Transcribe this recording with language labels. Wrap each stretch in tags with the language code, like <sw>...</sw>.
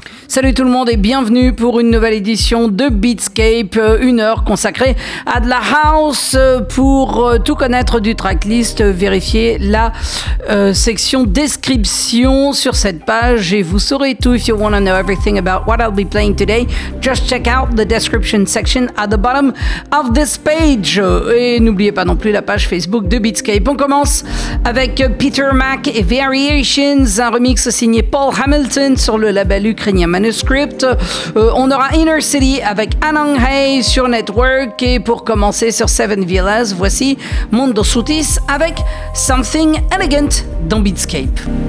<fr>Salut tout le monde et bienvenue pour une nouvelle édition de Beatscape, une heure consacrée à de la house pour tout connaître du tracklist. Vérifiez la section description sur cette page et vous saurez tout.</fr> <en>If you want to know everything about what I'll be playing today, just check out the description section at the bottom of this page.</en> <fr>Et n'oubliez pas non plus la page Facebook de Beatscape. On commence avec Peter Mac et Variations, un remix signé Paul Hamilton sur le label ukrainien Manuscript. On aura Inner City avec Ahnonghay sur Network et pour commencer sur Seven Villas, voici Mundo Sutis avec Something Elegant dans Beatscape.</fr>